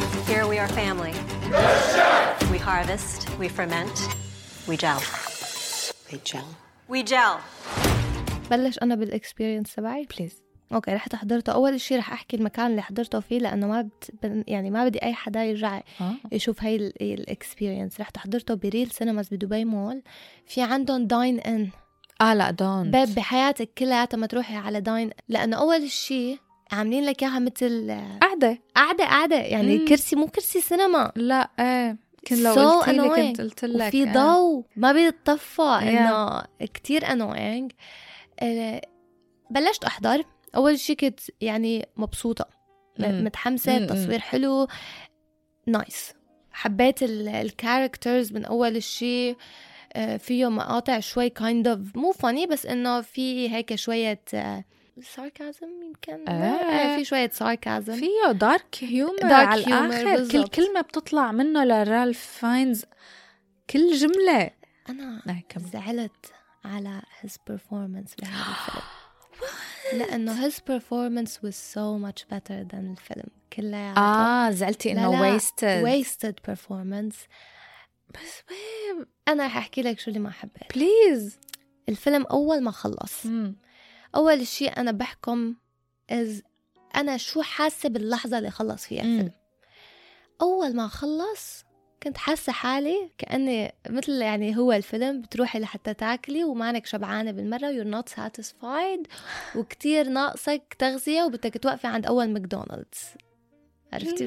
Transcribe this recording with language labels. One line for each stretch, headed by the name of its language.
English: Here we are family We harvest, we ferment, we gel. We gel. We gel.
Arabic: بلش أنا بالإكسبرينس تبعي بليز. أوكي رحت حضرته أول شيء رح أحكي المكان اللي حضرته فيه لأنه ما بدي أي حدا يرجع يشوف هاي الإكسبرينس رحت حضرته بريل سينماز بدبي مول في عندهم داين إن. لا دون. باب بحياتك كلها ما تروحي على داين لأنه أول شيء عاملين لك ياها مثل قعدة يعني كرسي مو كرسي سينما لا كن لو so قلتي annoying. لي كنت قلت لك في ضو ما بيتطفى انه كتير annoying بلشت احضر اول شيء كنت يعني مبسوطة متحمسة التصوير حلو نايس حبيت الكاركترز من اول شيء فيه مقاطع شوي
English: kind of
Arabic: مو funny بس انه في هيك شوية ساركازم يمكن في شوية ساركازم فيه دارك هيومر دارك على الآخر بالزبط. كل كلمة بتطلع منه لرالف فاينز كل جملة أنا زعلت على
English: his performance لأنه his performance was so much better than
Arabic: الفيلم كلها زعلتي إنه wasted performance بس أنا رح أحكي لك شو اللي ما حبيت بليز الفيلم أول ما خلص أول شيء أنا بحكم إز أنا شو حاسة باللحظة اللي خلص فيها أول ما خلص كنت حاسة حالي كأني مثل يعني هو الفيلم بتروحي لحتى تاكلي ومعنك شبعانة بالمرة
English: you're not satisfied
Arabic: وكتير ناقصك تغذية وبدك توقفي عند أول ماكدونالدز عرفتي؟